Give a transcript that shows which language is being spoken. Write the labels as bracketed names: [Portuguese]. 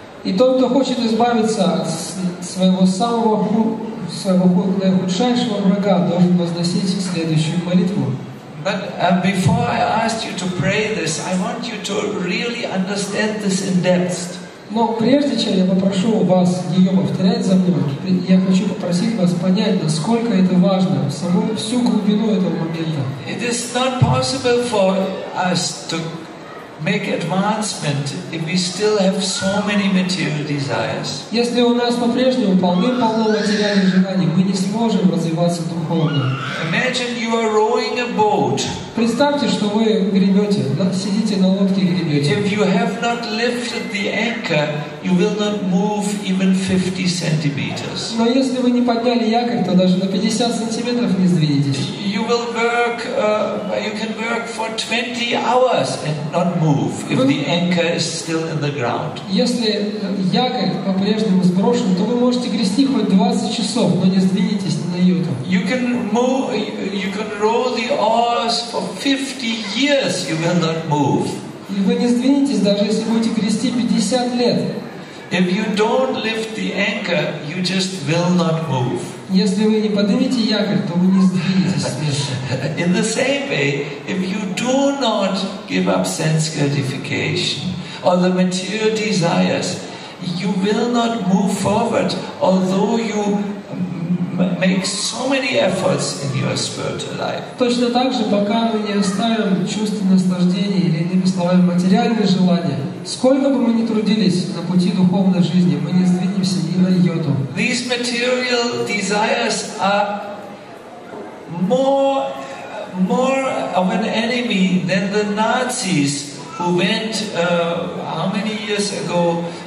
[Russian] И тот, кто хочет избавиться от своего худшего врага, должен возносить следующую молитву. [English] But before I ask you to pray this, I want you to really understand this in depth. [Russian] Но прежде чем я попрошу вас ее повторять за мной, я хочу попросить вас понять, насколько это важно, саму всю глубину этого момента. [English] It is not possible for us to make advancement if we still have so many material desires. [Russian] Если у нас по-прежнему полным-полно материальных желаний, мы не сможем развиваться духовно. [English] Imagine you are rowing a boat. [Russian] Представьте, что вы гребете, сидите на лодке и гребете. [English] If you have not lifted the anchor, you will not move even 50 centimeters. [Russian] Но если вы не подняли якорь, то даже на 50 сантиметров не сдвинетесь. [English] You will work. You can work for 20 hours and not move if the anchor is still in the ground. [Russian] Если якорь по-прежнему сброшен, то вы можете грести хоть 20 часов, но не сдвинетесь на йоту. [English] You can move. You can row the oars for 50 years. You will not move. [Russian] И вы не сдвинетесь, даже если будете грести 50 лет. [English] If you don't lift the anchor, you just will not move. [Russian] Если вы не поднимете якорь, то вы не сдвинетесь. [English] In the same way, if you do not give up sense gratification or the material desires, you will not move forward, although you make so many efforts in your spiritual life. [Russian] Точно так же, пока мы не оставим чувство наслаждения или, иными словами, материальные желания, сколько бы мы ни трудились на пути духовной жизни, мы не сдвинемся ни на йоту. [English] These material desires are more of an enemy than the Nazis who went how many years ago?